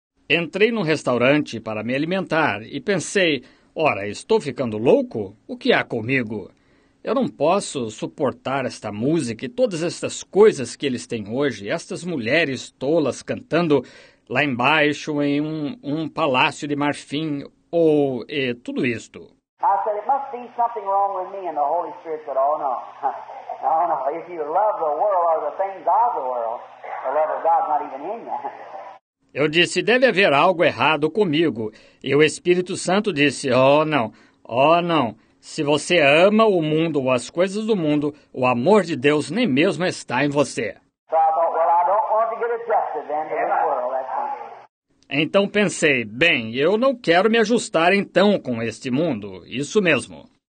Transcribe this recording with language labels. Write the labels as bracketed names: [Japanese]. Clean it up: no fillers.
[Portuguese] Entrei num restaurante para me alimentar e pensei, ora, estou ficando louco? O que há comigo? Eu não posso suportar esta música e todas estas coisas que eles têm hoje, estas mulheres tolas cantando lá embaixo em um palácio de marfim ou tudo isto. [English] I said, it must be something wrong with me, and the Holy Spirit said, oh, no. Oh, no. If you love the world or the things of the world, the love of God's not even in you. [Portuguese] Eu disse, deve haver algo errado comigo. E o Espírito Santo disse, oh, não. Oh, não. Se você ama o mundo ou as coisas do mundo, o amor de Deus nem mesmo está em você. [English] So I thought, well, I don't want to get adjusted then to the world. [Portuguese] Então pensei, bem, eu não quero me ajustar então com este mundo, isso mesmo.